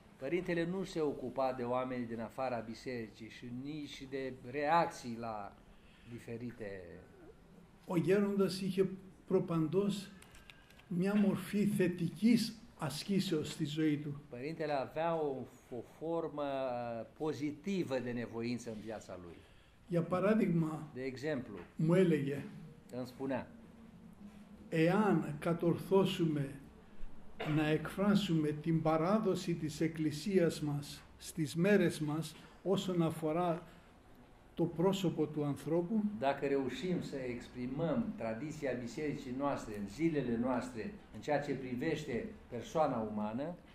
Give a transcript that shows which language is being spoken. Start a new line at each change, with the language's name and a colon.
Romanian: Părintele nu se ocupa de oamenii din afara bisericii și nici de reacții la diferite.
Greek: Ο γέροντας είχε προπαντός μια μορφή θετικής ασκήσεως στη ζωή του.
Romanian: Părintele avea o formă pozitivă de nevoință în viața lui.
Greek: Για παράδειγμα,
Romanian: de exemplu,
Greek: μου έλεγε,
Romanian: îmi spunea,
Greek: εάν κατορθώσουμε να εκφράσουμε την παράδοση της Εκκλησίας μας στις μέρες μας όσον αφορά το πρόσωπο του ανθρώπου.
Romanian: Dacă reușim să exprimăm tradiția bisericii noastre în zilele noastre în ceea ce privește persoana umană,